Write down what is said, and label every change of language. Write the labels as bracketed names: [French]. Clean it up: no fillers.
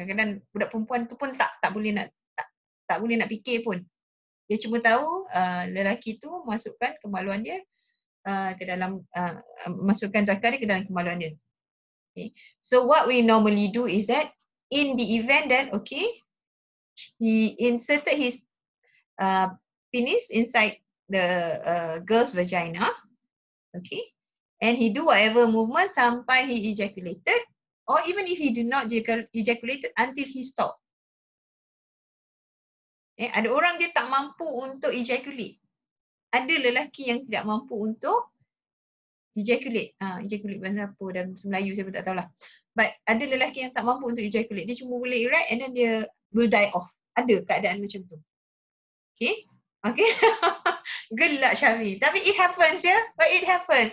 [Malay] Kadang-kadang budak perempuan tu pun tak boleh nak fikir pun. Dia cuma tahu lelaki tu masukkan kemaluan dia ke dalam, masukkan zakar dia ke dalam kemaluan dia. Okay. [English] So, what we normally do is that in the event that, okay, he inserted his penis inside the girl's vagina, okay, and he do whatever movement sampai he ejaculated, or even if he did not ejaculate until he stop. Okay. [Malay] Ada orang dia tak mampu untuk ejaculate. Ada lelaki yang tidak mampu untuk ejaculate. Ejaculate bahasa apa dan Melayu saya pun tak tahulah. But ada lelaki yang tak mampu untuk ejaculate. Dia cuma boleh erect [English] and then [Malay] dia [English] will die off. [Malay] Ada keadaan macam tu. Okay. Gelak Syami. Tapi [English] it happens [Malay] ya. Yeah? [English] But it happens.